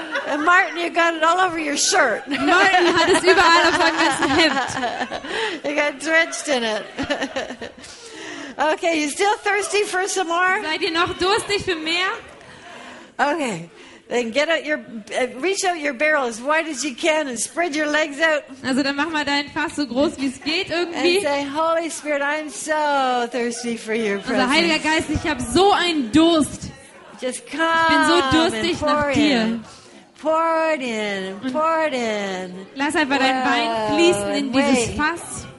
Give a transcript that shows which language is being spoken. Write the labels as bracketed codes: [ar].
[en] And Martin, you got it all over your shirt. [de] Martin hat es überall auf seinem ganzen Hemd. [en] You got drenched in it. Okay, you still thirsty for some more? [de] Seid ihr noch durstig für mehr? [en] Okay, then get out your, reach out your barrel as wide as you can and spread your legs out. [de] Also dann mach mal dein Fass so groß wie es geht irgendwie. [en] And say, Holy Spirit, I'm so thirsty for your presence. [de] Also Heiliger Geist, ich habe so einen Durst. [en] Just come. [de] Ich bin so durstig nach dir. [en] Pour it in, pour it in. [de] Lass einfach dein Wein fließen in dieses Fass.